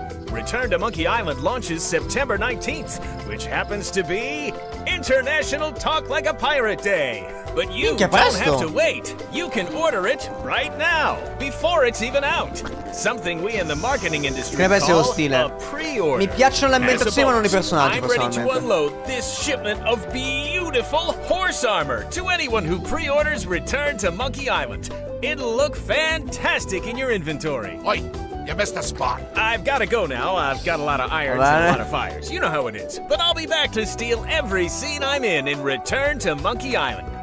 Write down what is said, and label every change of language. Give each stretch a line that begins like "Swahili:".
English: Return to Monkey Island launches September 19th, which happens to be International Talk Like a Pirate Day. But you don't have to wait. You can order it right now, before it's even out. Something we in the marketing industry call a pre-order.
Italian: Mi piacciono le ambientazioni, ma non i personaggi, personalmente.
English: I'm ready to unload this shipment of beautiful horse armor to anyone who pre-orders Return to Monkey Island. It'll look fantastic in your inventory. Oi, you missed a spot. I've got to go now. I've got a lot of irons and a lot of fires. You know how it is. But I'll be back to steal every scene I'm in Return to Monkey Island.